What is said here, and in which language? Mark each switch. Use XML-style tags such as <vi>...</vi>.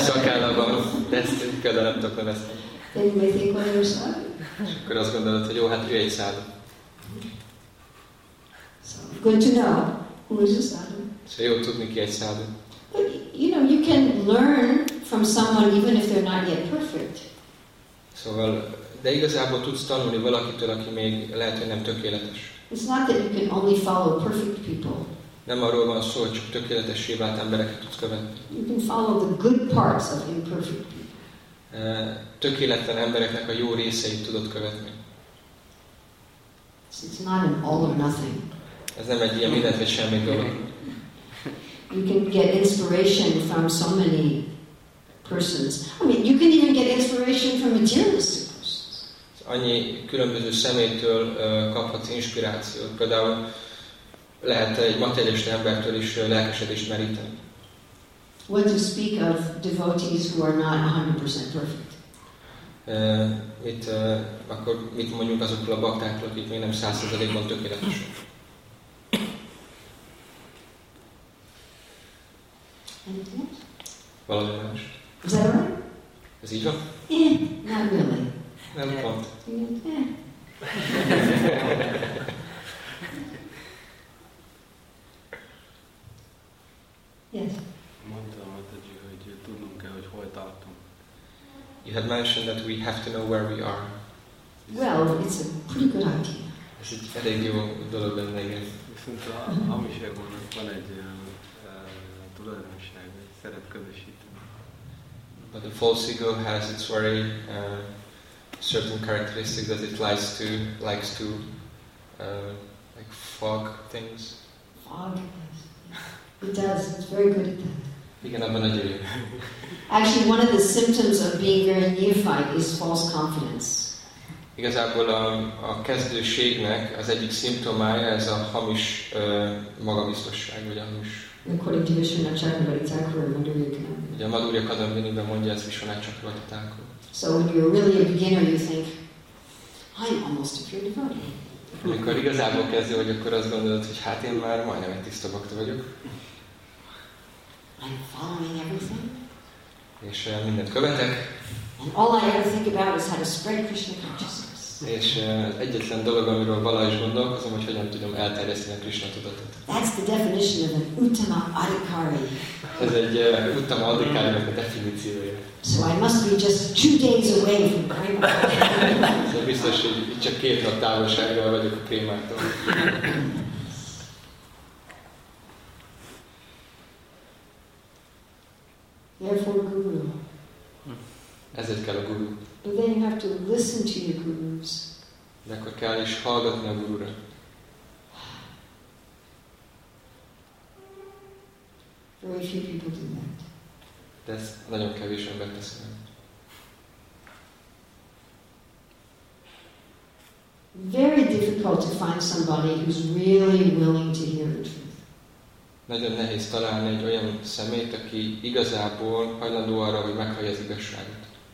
<hu>Szakállalban, de nem tudok nevezni.</hu> <en>Then you may think, well, you're a sadhu. So, good to know who is a sadhu.</en> <hu>So, jó tudni, ki egy sadhu.</hu> <en>But, you know, you can learn from someone even if they're not yet perfect.</en> <hu>Szóval, de igazából tudsz tanulni valakitől, aki még lehet, hogy nem tökéletes.</hu> <en>It's not that you can only follow perfect people.</en> <hu>Nem arról van szó, hogy csak tökéletessé vált embereket tudsz követni.</hu> <en>You can follow the good parts of imperfect people.</en> <hu>Tökéletlen embereknek a jó részeit tudod követni.</hu> <en>So it's not an all or nothing.</en> <hu>Ez nem egy ilyen mindent vagy semmit dolog.</hu> <en>You can get inspiration from so many persons. I mean, you can even get inspiration from materialistic persons.</en> <hu>Annyi különböző szemétől kaphatsz inspirációt. Például lehet egy materialista embertől is lelkesedést meríteni.</hu> <en>What to speak of devotees who are not 100% perfect?</en> <hu>Itt akkor mit mondjuk azokról a baktákról, akik még nem 100%-ban tökéletesek? Valami más.</hu> <en>Is that right?</en> <hu>Ez így van?</hu> <en>Not really.</en> <hu>Nem pont.</hu> <en>Yes.</en> <hu>Mondta Mataji, hogy tudnunk kell, hogy hol tartunk.</hu> <en>You had mentioned that we have to know where we are. Well, it's a pretty good idea.</en> <hu>Ez egy elég jó dolog lenne, igen. Viszont a hamiságonnak van egy tulajdonság, egy szerep közösítő.</hu> <en>But the false ego has its very certain characteristic that it likes to fog things. Fog things. It does. It's very good at that.</en> <hu>Igen, abban nagyon jó.</hu> <en>Actually, one of the symptoms of being very neophyte is false confidence.</en> <hu>Igazából a kezdőségnek az egyik szimptomája ez a hamis magabiztosság, vagy a hamis.</hu> <en>According to Vishwanath Chakravarti Thakur and Madhurya Kadambini.</en> <hu>Ugye a Madhurya Kadambiniben mondja ezt Vishwanath Chakravarti Thakur.</hu> <en>So when you're really a beginner, you think, I'm almost a pure devotee.</en> <hu>Amikor igazából kezdő vagy, akkor azt gondolod, hogy hát én már majdnem egy tiszta bakta vagyok.</hu> <en>I'm following everything.</en> <hu>És mindent követek.</hu> <en>And all I ever think about is how to spread Krishna consciousness.</en> <hu>És egyetlen dolog, amiről valaha is gondolkozom, hogy hogyan tudom elterjeszteni a Krishna tudatot.</hu> <en>That's the definition of an uttama adhikari.</en> <hu>Ez egy uttama adhikárinak a definíciója.</hu> <en>So I must be just 2 days away from Prema.</en> <hu>Szóval biztos, hogy csak 2 nap távolságra vagyok a Prémától.</hu> <en>Therefore, guru.</en> <hu>Ezért kell a guru.</hu> <en>But then you have to listen to your gurus.</en> <hu>De akkor kell is hallgatni a gurura.</hu> <en>Very few people do that.</en> <hu>De ezt nagyon kevés ember teszi meg.</hu> <en>Very difficult to find somebody who's really willing to hear the truth.</en> <hu>Nagyon nehéz találni egy olyan szemét, aki igazából hajlandó arra, hogy meghallja az igazságot.</hu>